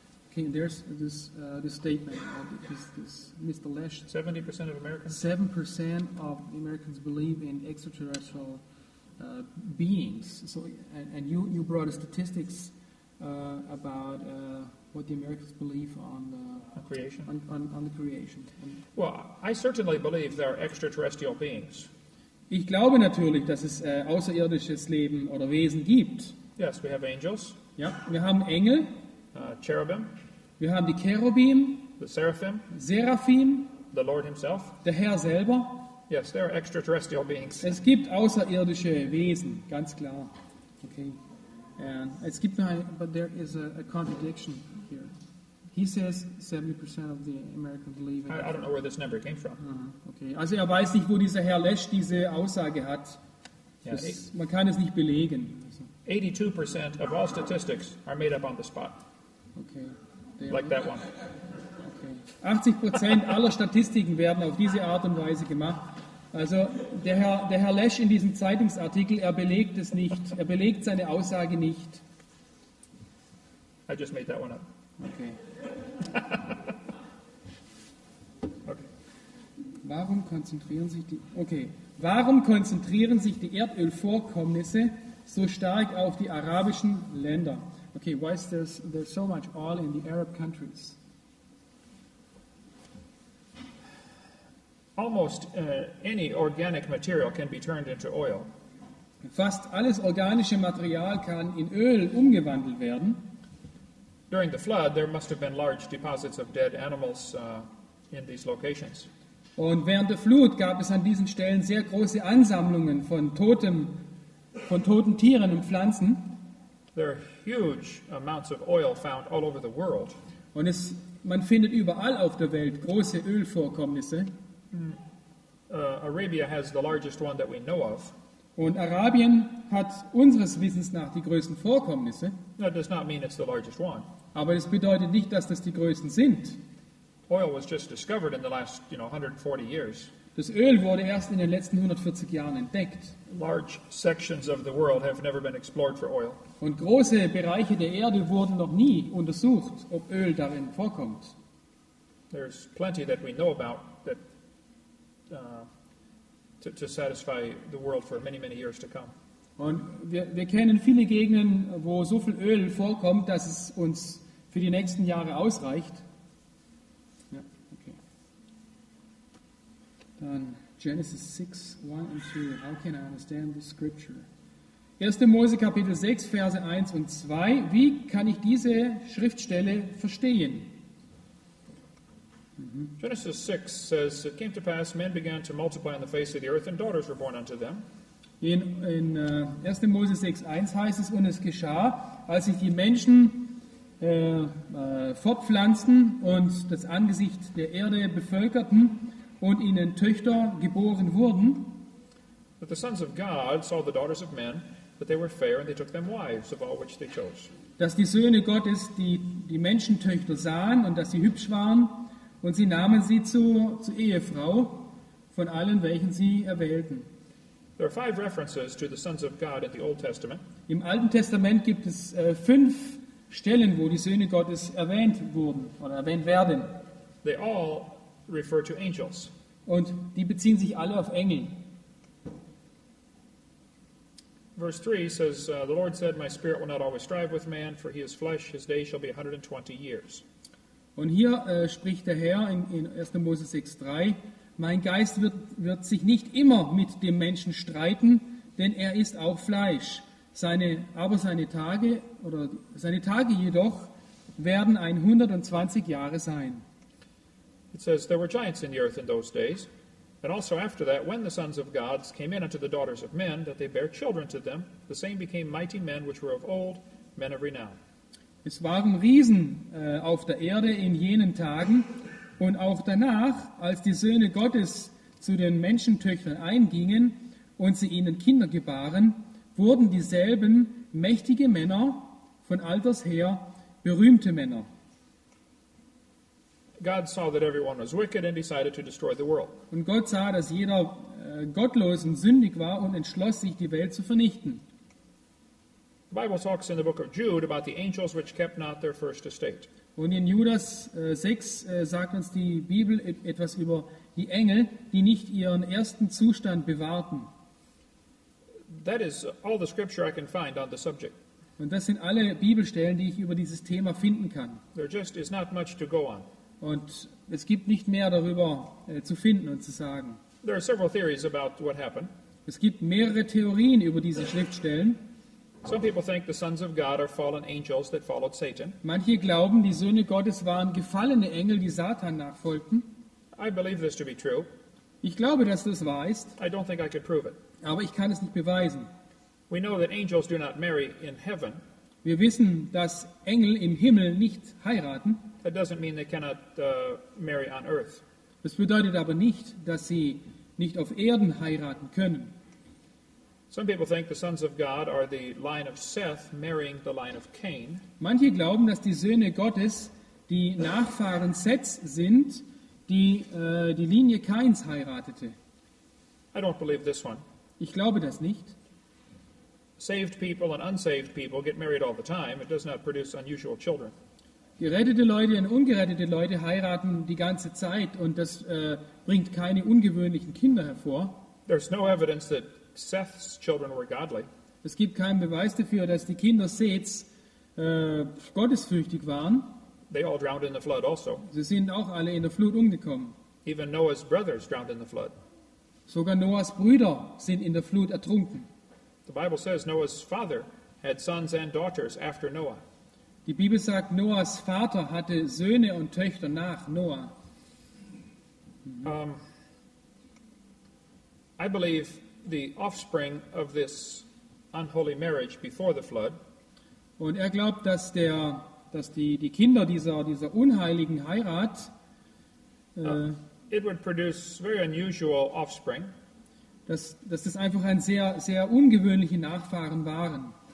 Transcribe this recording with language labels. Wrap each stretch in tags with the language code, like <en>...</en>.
<en>Okay, there's this this statement of this Mr. Lesh. 70% of Americans. 7% of Americans believe in extraterrestrial beings. So, and you brought a statistics about what the Americans believe on the creation. On the creation. Well, I certainly believe there are extraterrestrial beings.</en> <de>Ich glaube natürlich, dass es außerirdisches Leben oder Wesen gibt.</de> <en>Yes, we have angels.</en> <de>Ja, wir haben Engel.</de> <en>Cherubim.</en> <de>Wir haben die Cherubim,</de> <en>the Seraphim,</en> <de>Seraphim,</de> <en>the Lord himself,</en> <de>der Herr selber.</de> <en>Yes, there are extraterrestrial beings.</en> <de>Es gibt außerirdische Wesen, ganz klar.</de> <en>Okay. And</en> <de>es gibt</de> <en>but there is a contradiction here. He says 70% of the Americans believe in I don't know where this number came from. Okay.</en> <de>Also weiß nicht, wo dieser Herr Lesch diese Aussage hat. Yeah, man kann es nicht belegen.</de> <en>82% of all statistics are made up on the spot. Okay. Like that one. Okay.</en> <de>80% aller Statistiken werden auf diese Art und Weise gemacht. Also der Herr Lesch in diesem Zeitungsartikel, er belegt es nicht. Er belegt seine Aussage nicht.</de> <en>I just made that one up. Okay. Okay.</en> <de>Warum konzentrieren sich die Erdölvorkommnisse so stark auf die arabischen Länder?</de> <en>Okay, why is there so much oil in the Arab countries? Almost any organic material can be turned into oil.</en> <de>Fast alles organische Material kann in Öl umgewandelt werden.</de> <en>During the flood, there must have been large deposits of dead animals in these locations.</en> <de>Und während der Flut gab es an diesen Stellen sehr große Ansammlungen von toten Tieren und Pflanzen.</de> <en>There are huge amounts of oil found all over the world.</en> <de>Und es, man findet überall auf der Welt große Ölvorkommnisse.</de> <en>Arabia has the largest one that we know of.</en> <de>Und Arabien hat unseres Wissens nach die größten Vorkommnisse.</de> <en>That does not mean it's the largest one.</en> <de>Aber es bedeutet nicht, dass das die größten sind.</de> <en>Oil was just discovered in the last, 140 years.</en> <de>Das Öl wurde erst in den letzten 140 Jahren entdeckt.</de> <en>Large sections of the world have never been explored for oil.</en> <de>Und große Bereiche der Erde wurden noch nie untersucht, ob Öl darin vorkommt.</de> <en>There's plenty that we know about that to satisfy the world for many, many years to come.</en> <de>Und wir kennen viele Gegenden, wo so viel Öl vorkommt, dass es uns für die nächsten Jahre ausreicht. Dann</de> <en>Genesis 6, 1 and 2. How can I understand the scripture?</en> <de>1. Mose Kapitel 6, Verse 1 und 2. Wie kann ich diese Schriftstelle verstehen?</de> <en>Genesis 6 says, it came to pass, men began to multiply on the face of the earth, and daughters were born unto them.</en> <de>In 1. Mose 6, 1 heißt es, und es geschah, als sich die Menschen fortpflanzten und das Angesicht der Erde bevölkerten, und ihnen Töchter geboren wurden.</de> <en>But the sons of God saw the daughters of men, that they were fair, and they took them wives of all which they chose.</en> <de>Dass die Söhne Gottes die Menschentöchter sahen und dass sie hübsch waren, und sie nahmen sie zu Ehefrau von allen, welchen sie erwählten.</de> <en>There are five references to the sons of God in the Old Testament.</en> <de>Im Alten Testament gibt es fünf Stellen, wo die Söhne Gottes erwähnt wurden oder erwähnt werden.</de> <en>They all refer to angels.</en> <de>Und die beziehen sich alle auf Engel.</de> <en>Verse 3 says, the Lord said, my spirit will not always strive with man, for he is flesh, his day shall be 120 years.</en> <de>Und hier spricht der Herr in 1. Mose 6,3, mein Geist wird sich nicht immer mit dem Menschen streiten, denn er ist auch Fleisch. Seine Tage jedoch werden 120 Jahre sein.</de> <en>It says there were giants in the earth in those days. And also after that, when the sons of gods came in unto the daughters of men, that they bare children to them, the same became mighty men which were of old, men of renown.</en> <de>Es waren Riesen auf der Erde in jenen Tagen, und auch danach, als die Söhne Gottes zu den Menschentöchtern eingingen und sie ihnen Kinder gebaren, wurden dieselben mächtige Männer, von alters her berühmte Männer.</de> <en>God saw that everyone was wicked and decided to destroy the world.</en> <de>Und Gott sah, dass jeder gottlos und sündig war und entschloss sich, die Welt zu vernichten.</de> <en>The Bible talks in the book of Jude about the angels which kept not their first estate.</en> <de>Und in Judas 6 sagt uns die Bibel etwas über die Engel, die nicht ihren ersten Zustand bewahrten.</de> <en>That is all the scripture I can find on the subject.</en> <de>Und das sind alle Bibelstellen, die ich über dieses Thema finden kann.</de> <en>There just is not much to go on.</en> <de>Und es gibt nicht mehr darüber zu finden und zu sagen.</de> <en>There are several theories about what happened.</en> <de>Es gibt mehrere Theorien über diese Schriftstellen.</de> <en>Some people think the sons of God are fallen angels that followed Satan.</en> <de>Manche glauben, die Söhne Gottes waren gefallene Engel, die Satan nachfolgten.</de> <en>I believe this to be true.</en> <de>Ich glaube, dass das wahr ist.</de> <en>I don't think I could prove it.</en> <de>Aber ich kann es nicht beweisen.</de> <en>We know that angels do not marry in heaven.</en> <de>Wir wissen, dass Engel im Himmel nicht heiraten.</de> <en>That doesn't mean they cannot marry on earth.</en> <de>Das bedeutet aber nicht, dass sie nicht auf Erden heiraten können.</de> <en>Some people think the sons of God are the line of Seth marrying the line of Cain.</en> <de>Manche glauben, dass die Söhne Gottes die Nachfahren Seths sind, die die Linie Kains heiratete.</de> <en>I don't believe this one.</en> <de>Ich glaube das nicht.</de> <en>Saved people and unsaved people get married all the time. It does not produce unusual children.</en> <de>Gerettete Leute und ungerettete Leute heiraten die ganze Zeit, und das bringt keine ungewöhnlichen Kinder hervor.</de> <en>There's no evidence that Seth's children were godly.</en> <de>Es gibt keinen Beweis dafür, dass die Kinder Seths gottesfürchtig waren.</de> <en>They all drowned in the flood also.</en> <de>Sie sind auch alle in der Flut umgekommen.</de> <en>Even Noah's brothers drowned in the flood.</en> <de>Sogar Noahs Brüder sind in der Flut ertrunken.</de> <en>The Bible says Noah's father had sons and daughters after Noah.</en> <de>Die Bibel sagt, Noahs Vater hatte Söhne und Töchter nach Noah.</de> <en>I believe the offspring of this unholy marriage before the flood.</en> <de>Und er glaubt, dass die Kinder dieser unheiligen Heirat</de> <en>it would produce very unusual offspring.</en> <de>Dass das einfach ein sehr sehr ungewöhnliche Nachfahren waren.</de>